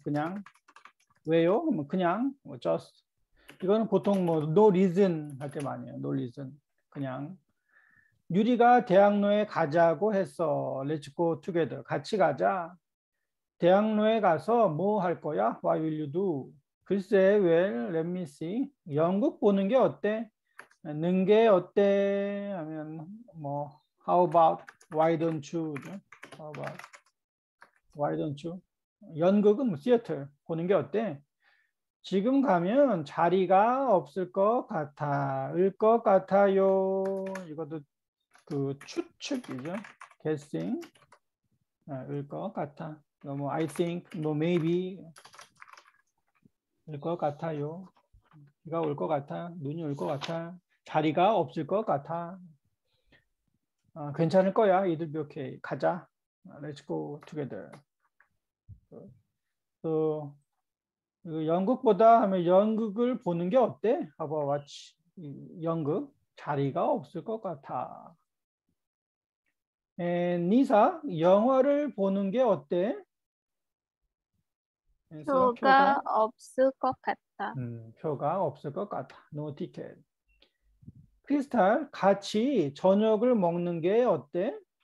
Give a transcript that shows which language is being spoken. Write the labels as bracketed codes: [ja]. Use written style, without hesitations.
[ko] 그냥. 왜요? 뭐 그냥. 뭐 just. 이거는 보통 뭐 no reason 할 때 많이 해요. [en] No reason. [ko] 그냥. 유리가 대학로에 가자고 했어. [en] Let's go together. [ko] 같이 가자. 대학로에 가서 뭐 할 거야? [en] What will you do? [ko] 글쎄, [en] well, let me see. [ko] 연극 보는 게 어때? 는 게 어때? 하면 뭐 [en] how about, why don't you? How about, why don't you? [ko] 연극은 뭐 theater 보는 게 어때? 지금 가면 자리가 없을 것 같아. 을 것 같아요. 이것도 그 추측이죠. guessing. 을 것 같아. [en] 너무 I think, no maybe. [ko] 올 것 같아요. 비가 올 것 같아. 눈이 올 것 같아. 자리가 없을 것 같아. 아, 괜찮을 거야. [en] It'll be okay. [ko] 가자. [en] Let's go together. [ko] 또 연극보다 하면 연극을 보는 게 어때? [en] How about watch 연극? [ko] 자리가 없을 것 같아. And 니사, 영화를 보는 게 어때? 표가 없을 것 같아. 표가 없을 것 같아. [en] No ticket. [ko] 크리스탈, 같이 저녁을 먹는 게 어때?